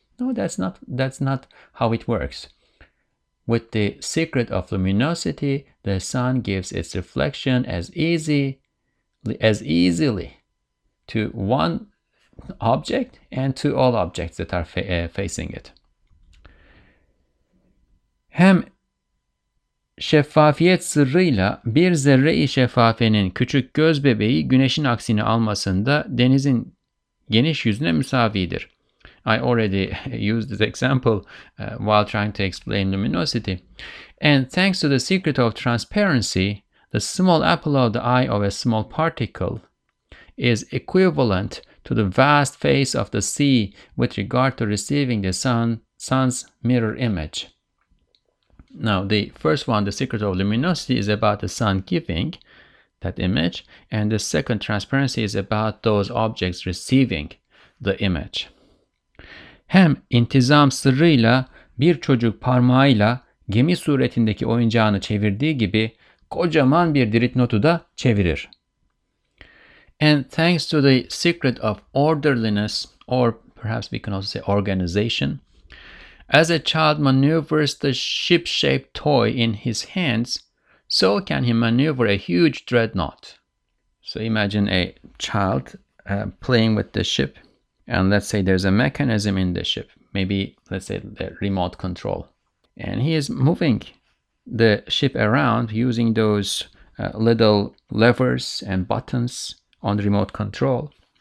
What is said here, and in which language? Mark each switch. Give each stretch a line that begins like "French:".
English: No, that's not how it works. With the secret of luminosity, the sun gives its reflection as easily to one object and to all objects that are facing it.
Turkish: Hem şeffafiyet sırrıyla bir zerre-i şeffafenin küçük göz bebeği güneşin aksini almasında denizin geniş yüzüne müsavidir.
English: I already used this example while trying to explain luminosity. And thanks to the secret of transparency, the small apple of the eye of a small particle is equivalent to the vast face of the sea with regard to receiving the sun's mirror image. Now, the first one, the secret of luminosity, is about the sun giving that image, and the second, transparency, is about those objects receiving the image.
Turkish: Hem intizam sırrıyla bir çocuk parmağıyla gemi suretindeki oyuncağını çevirdiği gibi kocaman bir dreadnought'u da çevirir.
English: And thanks to the secret of orderliness, or perhaps we can also say organization, as a child maneuvers the ship-shaped toy in his hands, so can he maneuver a huge dreadnought. So imagine a child playing with the ship, and let's say there's a mechanism in the ship, maybe let's say the remote control, and he is moving the ship around using those little levers and buttons on the remote control.